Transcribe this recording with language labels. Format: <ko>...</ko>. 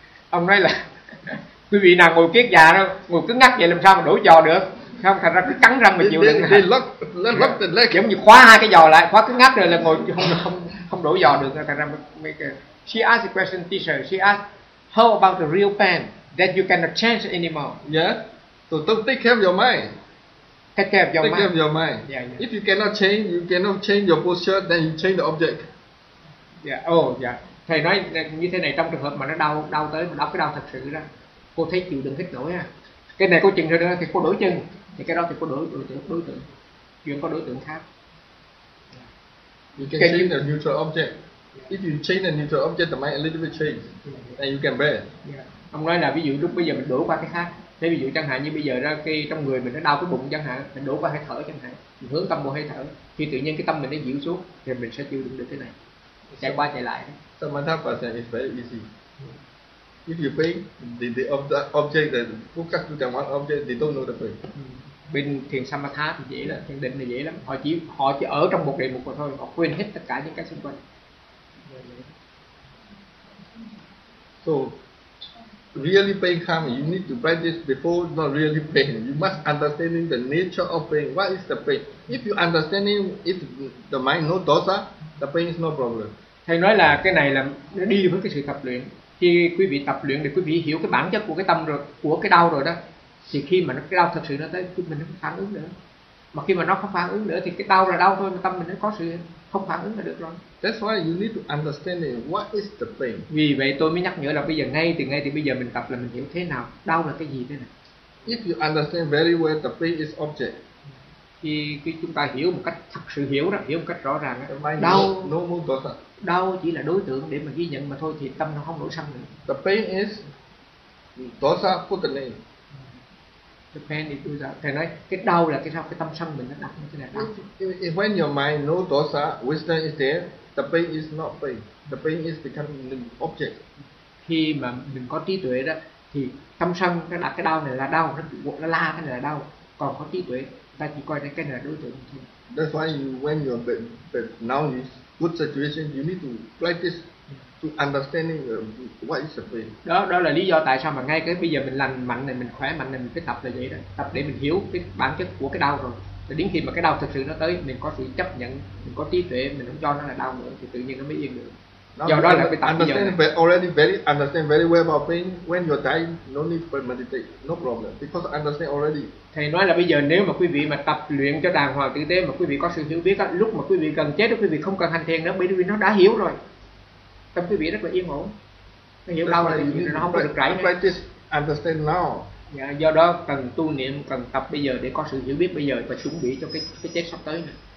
<vi>Ông nói là quý vị nào ngồi kiết già đó, ngồi cứng ngắc vậy làm sao mà đổ giò được? Không, thành ra cứ cắn răng mà chịu đựng.</vi> <en>They lock the leg.</en> <vi>Giống như khóa hai cái giò lại, khóa cứng ngắc rồi là ngồi không đổ giò được. Thành ra mấy cái.</vi> <en>She asked a question, teacher. She asked, how about the real pain that you cannot change anymore? Yeah. So don't take care of your mind. Take care of your mind. Yeah. If you cannot change, you cannot change your posture, then you change the object. Yeah. Oh, yeah.</en> <vi>Thầy nói như thế này, trong trường hợp mà nó đau tới, mà đau cái đau thật sự đó, cô thấy chịu đựng hết nổi à? Cái này cô chừng rồi đó, thì cô đổi chân, thì cái đó thì cô đổi đối tượng, chuyển qua đối tượng khác.</vi> <en>You can change the neutral object. Yeah. If you change the neutral object, the mind a little bit change, then you can bear. Yeah.</en> <vi>Ông nói là ví dụ lúc bây giờ mình đổi qua cái khác. Thế ví dụ chẳng hạn như bây giờ ra cái trong người mình nó đau cái bụng chẳng hạn, mình đổ qua hơi thở chẳng hạn, mình hướng tâm vào hơi thở, khi tự nhiên cái tâm mình nó dịu xuống thì mình sẽ chịu đựng được cái này. chạy qua chạy lại.</vi> <en>Samatha pasana is very easy. If you pay the object, the focus to the one object, they don't know the pain.</en> <vi>Bên thiền Samatha thì dễ lắm, thiền định thì dễ lắm. Họ chỉ ở trong một đề mục mà thôi, họ quên hết tất cả những cái xung quanh.</vi> <en>So really pain comes, you need to practice before not really pain. You must understanding the nature of pain. What is the pain? If you understanding if the mind no dosa, the pain is no problem.</en> <vi>Thầy nói là cái này là nó đi với cái sự tập luyện. Khi quý vị tập luyện để quý vị hiểu cái bản chất của cái tâm rồi, của cái đau rồi đó, thì khi mà nó cái đau thật sự nó tới, mình không phản ứng nữa. Mà khi mà nó không phản ứng nữa thì cái đau là đau thôi, mà tâm mình nó có sự không phản ứng là được rồi.</vi> <en>That's why you need to understand what is the pain.</en> <vi>Vì vậy tôi mới nhắc nhở là bây giờ ngay từ bây giờ mình tập là mình hiểu thế nào đau là cái gì đây này.</vi> <en>If you understand very well the pain is object.</en> <vi>Khi chúng ta hiểu một cách thật sự hiểu đó, hiểu một cách rõ ràng đó, đau chỉ là đối tượng để mà ghi nhận mà thôi thì tâm nó không nổi sân nữa.</vi> <en>The pain is dosa put the name. The pain is dosa.</en> <vi>Thầy nói cái đau là cái sao cái tâm sân mình nó đặt như thế này đó.</vi> <en>If when your mind no dosa, wisdom is there, the pain is not pain. The pain is becoming an object.</en> <vi>Khi mà mình có trí tuệ đó thì tâm sân nó đặt cái đau này là đau, nó la cái này là đau. Còn có trí tuệ ta chỉ coi cái này là đối tượng thôi.</vi> <en>That's why you, when you are but now you good situation, you need to practice to understanding what is the pain.</en> <vi>Đó là lý do tại sao mà ngay cái bây giờ mình lành mạnh này, mình khỏe mạnh này, mình phải tập là vậy đó. Tập để mình hiểu cái bản chất của cái đau rồi. Rồi đến khi mà cái đau thực sự nó tới, mình có sự chấp nhận, mình có trí tuệ, mình không cho nó là đau nữa thì tự nhiên nó mới yên được. Now, do đó là phải tập understand bây giờ.</vi> <en>Already very understand very well about pain. When you're dying, no need to meditate, no problem, because understand already.</en> <vi>Thầy nói là bây giờ nếu mà quý vị mà tập luyện cho đàng hoàng tử tế mà quý vị có sự hiểu biết á, lúc mà quý vị gần chết đó, quý vị không cần hành thiền nữa, bởi vì nó đã hiểu rồi. Tâm quý vị rất là yên ổn. Nó hiểu đâu là nó không được rảy.</vi> <en>Practice understand now.</en> <vi>Dạ, do đó cần tu niệm, cần tập bây giờ để có sự hiểu biết bây giờ và chuẩn bị cho cái chết sắp tới này.</vi>